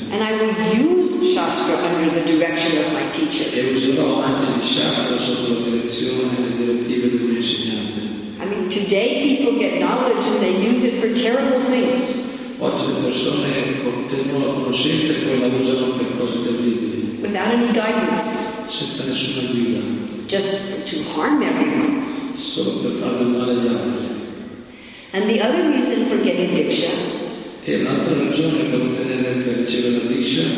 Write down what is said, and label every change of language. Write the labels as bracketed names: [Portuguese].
[English] And I will use Shastra under the direction of my teacher. [Italian] E userò anche di Shastra sotto la direzione e le direttive del mio insegnante. [English] I mean, today people get knowledge and they use it for terrible things. [Italian] Oggi le persone ottengono la conoscenza e poi la usano per cose terribili. [English] Without any guidance. [Italian] Senza nessuna guida. [English] Just to harm everyone. [Italian] Solo per far del male agli altri. [English] And the other reason for getting Diksha. [Italian] E l'altra ragione per ottenere per ricevere la Diksha.